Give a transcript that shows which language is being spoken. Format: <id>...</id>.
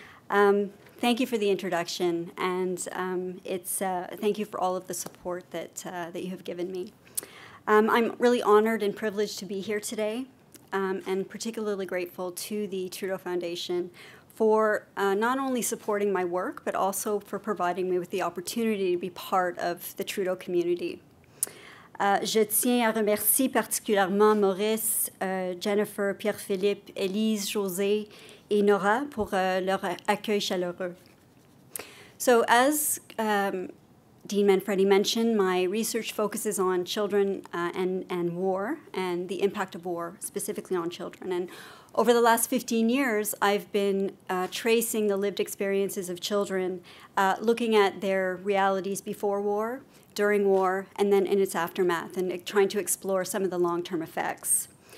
<en>Thank you for the introduction, and thank you for all of the support that that you have given me. I'm really honored and privileged to be here today, and particularly grateful to the Trudeau Foundation for not only supporting my work, but also for providing me with the opportunity to be part of the Trudeau community.</en> <fr>Je tiens à remercier particulièrement Maurice, Jennifer, Pierre-Philippe, Elise, José, et Nora pour leur accueil chaleureux.</fr> <en>So as Dean Manfredi mentioned, my research focuses on children and war and the impact of war specifically on children. And over the last 15 years, I've been tracing the lived experiences of children, looking at their realities before war, during war, and then in its aftermath, and trying to explore some of the long-term effects.</en>